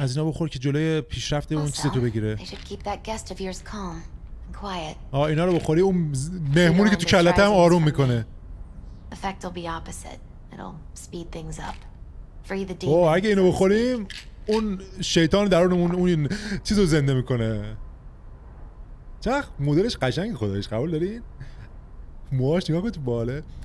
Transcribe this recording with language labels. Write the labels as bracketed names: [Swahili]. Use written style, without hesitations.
[Persian] از اینا بخور که جلوی پیشرفت اون چیز تو بگیره. [English] They should keep that guest of yours calm and quiet. [Persian] آه اینا رو بخوری اون مهمونی که تو کلت هم آروم میکنه. [English] Effect will be opposite. It'll speed things up. Free the demon. [Persian] اگه اینو بخوریم اون شیطان درونمون اون چیزو زنده میکنه. چخ مدلش قشنگه خداییش، قبول دارین؟ موهاش نگاه کن تو باله.